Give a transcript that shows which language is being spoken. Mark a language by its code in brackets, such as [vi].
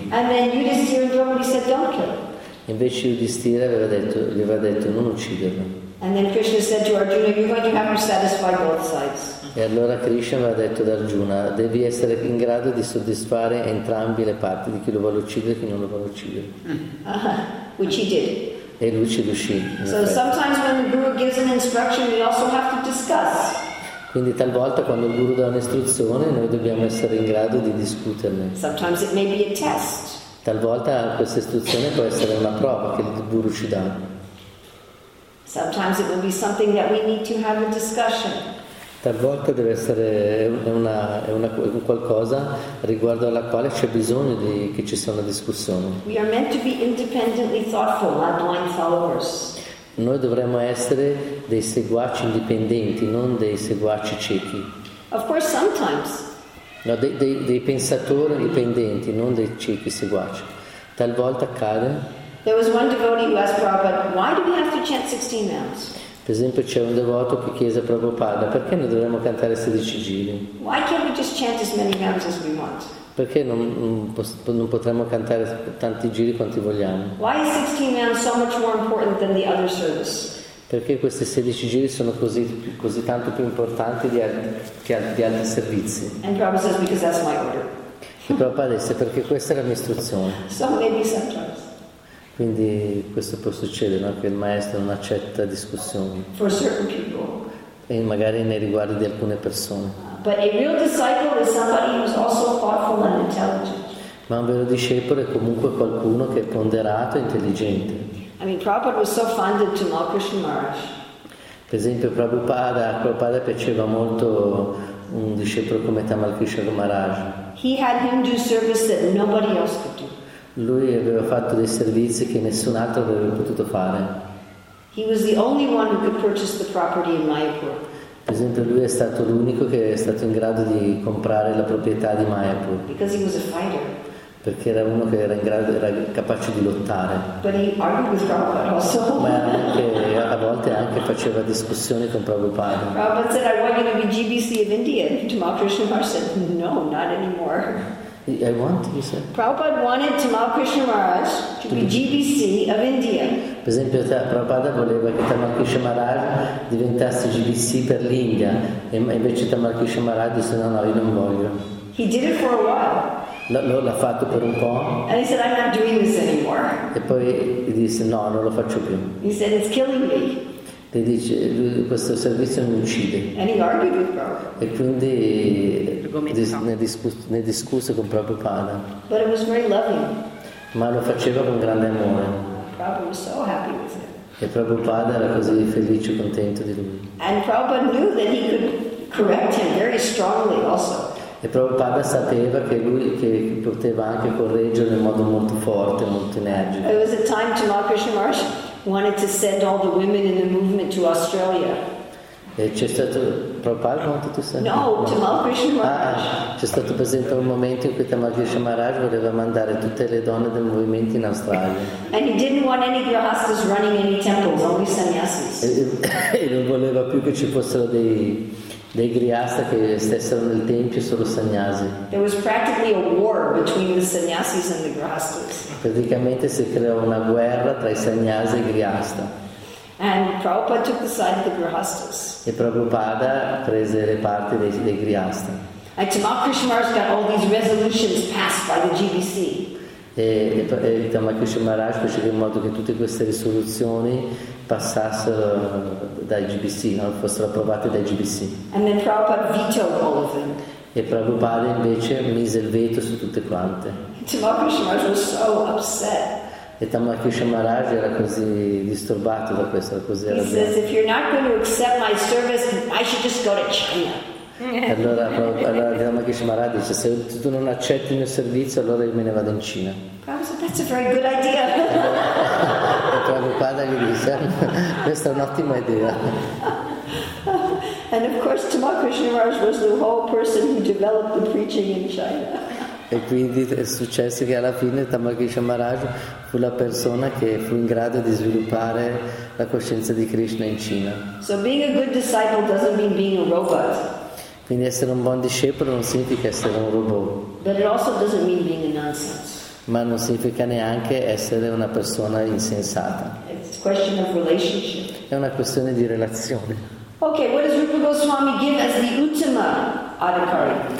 [en] And then Yudhisthira and Draupadi said, don't kill. [it] Invece Yudhisthira gli aveva detto non ucciderlo. [en] And then Krishna said to Arjuna, you're going to have to satisfy both sides. [it] E allora Krishna aveva detto ad Arjuna, devi essere in grado di soddisfare entrambi le parti, di chi lo vuole uccidere e chi non lo vuole uccidere. [en] Which he did. [it] E lui ci riuscì. [en] So sometimes when the guru gives an instruction, we also have to discuss. [it] Quindi talvolta quando il guru dà un'istruzione, noi dobbiamo essere in grado di discuterne. [en] Sometimes it may be a test. [it] Talvolta questa istruzione può essere una prova che il guru ci dà. [en] Sometimes it will be something that we need to have a discussion. [it] Talvolta deve essere una qualcosa riguardo alla quale c'è bisogno di che ci sia una discussione. [en] We are meant to be independently thoughtful, not blind followers. [it] Noi dovremmo essere dei seguaci indipendenti, non dei seguaci ciechi. [en] Of course, sometimes. [it] No, dei pensatori indipendenti, non dei ciechi seguaci. Talvolta accade. [en] There was one devotee who asked Prabhupada, why do we have to chant 16 rounds? [it] Per esempio c'è un devoto che chiese a Prabhupada, perché noi dovremmo cantare 16 giri? [en] Why can't we just chant as many rounds as we want? [it] Perché non potremmo cantare tanti giri quanti vogliamo? [en] Why is 16 rounds so much more important than the other service? [it] Perché questi 16 giri sono così tanto più importanti di altri servizi? [en] And Prabhupada says, because that's my order. [it] E Prabhupada disse, perché questa è la mia istruzione. [en] So maybe sometimes. [it] Quindi questo può succedere, no? Che il maestro non accetta discussioni. [en] For certain people. [it] E magari nei riguardi di alcune persone. [en] But a real disciple is somebody who's also thoughtful and intelligent. [it] Ma un vero discepolo è comunque qualcuno che è ponderato e intelligente. [en] I mean, Prabhupada was so fond of Jamal Krishna Maharaj. [it] Per esempio, Prabhupada piaceva molto un discepolo come Jamal Krishna Maharaj. [en] He had him do service that nobody else could do. [it] Lui aveva fatto dei servizi che nessun altro avrebbe potuto fare. [en] He was the only one who could purchase the property in Mayapur. [it] Per esempio, lui è stato l'unico che è stato in grado di comprare la proprietà di Mayapur. [en] Because he was a fighter. [it] Perché era uno che era in grado, era capace di lottare. [en] But he argued with Prabhupada also. [it] Ma anche, a volte anche faceva discussioni con Prabhupada. [en] Prabhupada said, "I want you to be GBC of India." Tamal Krishnamurti said, "No, not anymore." I want, you said. Prabhupada wanted Tamal Krishna Maharaj to be GBC of India. [it] Per esempio, Prabhupada voleva che Tamal Krishna Maharaj diventasse GBC per l'India, e invece Tamal Krishna Maharaj disse no, io non voglio. [en] He did it for a while. [it] L'ha fatto per un po'. [en] And he said, I'm not doing this anymore. [it] E poi disse no, non lo faccio più. [en] He said, it's killing me. [it] E dice, questo servizio mi uccide. [en] And he argued with [it] e quindi ne discusse con Prabhupada. [en] But it was very loving. [it] Ma lo faceva con grande amore. [en] Prabhupada was so happy with him. [it] E Prabhupada era così felice e contento di lui. [en] And Prabhupada knew that he could correct him very strongly also. [it] E Prabhupada sapeva che lui che poteva anche correggere in modo molto forte, molto energico. [en] It was a time to Tamal Krishna Maharaj wanted to send all the women in the movement to Australia. [it] E c'è stato Prabhupada quanto tu sei? [en] No, Tamal Krishna Maharaj. [it] Ah, c'è stato per esempio un momento in cui Tamal Krishna Maharaj voleva mandare tutte le donne del movimento in Australia. [en] And he didn't want any grihastas running any temples, only sannyasis. [it] E non voleva più che ci fossero dei grihasta che stessero nel tempio solo sannyasi. [en] There was practically a war between the sannyasis and the grihastas. [it] Praticamente si creò una guerra tra i sannyasi e i grihasta. [en] And Prabhupada took the side of the grihastas. [it] E Prabhupada prese le parti dei grihasta. [en] And Tamal Krishna Maharaj got all these resolutions passed by the GBC. [it] E Tamal Krishna Maharaj fece in modo che tutte queste risoluzioni passassero dai GBC, no? Fossero approvate dai GBC. [en] And then Prabhupada vetoed all of them. [it] E Prabhupada invece mise il veto su tutte quante. [en] Tamal Krishna Maharaj was so upset. [it] E Tamal Krishna Maharaj era così disturbato da questo, così [en] he [it] arrabbiato. [en] Says, if you're not going to accept my service, I should just go to China. [it] Allora Tamal Krishna Maharaj dice, se tu non accetti il mio servizio, allora io me ne vado in Cina. [en] That's a very good idea. [it] E Prabhupada gli dice, questa è un'ottima idea. [en] And of course Tamal Krishna Maharaj was the whole person who developed the preaching in China. [it] E quindi è successo che alla fine Tamal Krishna Maharaj fu la persona che fu in grado di sviluppare la coscienza di Krishna in Cina. [en] So being a good disciple doesn't mean being a robot. [it] Quindi essere un buon discepolo non significa essere un robot. [en] But it also doesn't mean being a nonsense. [it] Ma non significa neanche essere una persona insensata. [en] It's a question of relationship. [it] È una questione di relazione. [en] Okay, what does Rupa Goswami give as the Uttama Adhikari?